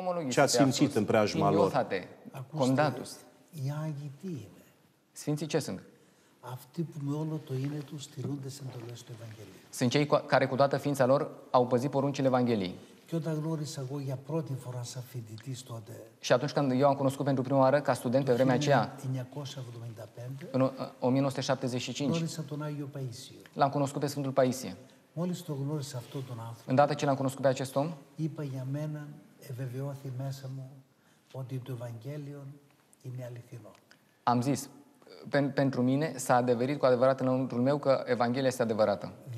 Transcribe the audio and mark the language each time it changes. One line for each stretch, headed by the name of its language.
Romanian: ce ați simțit în preajma lor? Condatus. Iagii tine. Sfinții ce sunt?
Greek: Αυτοί που με όλο το είναι τους στηρούν τις εντολές του Ευαγγελίου.
Romanian: Sunt cei care cu toată ființa lor au păzit poruncile Evangheliei.
Greek: Και όταν γνώρισα εγώ για πρώτη φορά σαν φοιτητής τότε.
Romanian: Și atunci când eu am cunoscut pentru prima oară ca student pe vremea aceea. În 1975. În 1975.
Greek: Γνώρισα τον Άγιο Παΐσιο.
Romanian: L-am cunoscut pe Sfântul Paisie.
Greek: Μόλις το γνώρισα αυτό τον άνθρωπο.
Romanian: Îndată ce l-am cunoscut pe acest om.
Greek: Είπα για μένα, εβεβαιώθη μέσα μου, ότι το Ευαγγέλιο είναι αληθινό.
Romanian: Am zis, pentru mine s-a adeverit cu adevărat înăuntrul meu că Evanghelia este adevărată.